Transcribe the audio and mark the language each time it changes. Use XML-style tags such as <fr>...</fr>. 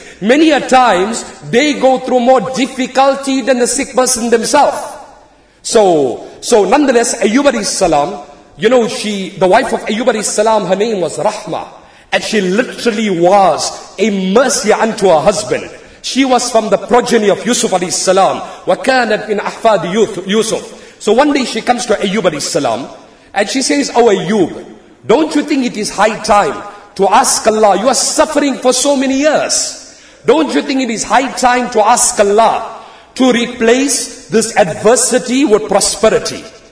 <en>Many a times, they go through more difficulty than the sick person themselves. So nonetheless, Ayyub alayhi salam, you know, the wife of Ayyub alayhi salam, her name was Rahma. And she literally was a mercy unto her husband. She was from the progeny of Yusuf alayhi salam.</en> <ar>وَكَانَتْ مِنْ أَحْفَادِ Yusuf.</ar> <en>So one day she comes to Ayyub alayhi salam and she says, "Oh Ayyub, don't you think it is high time to ask Allah? You are suffering for so many years. Don't you think it is high time to ask Allah to replace this adversity with prosperity?"</en>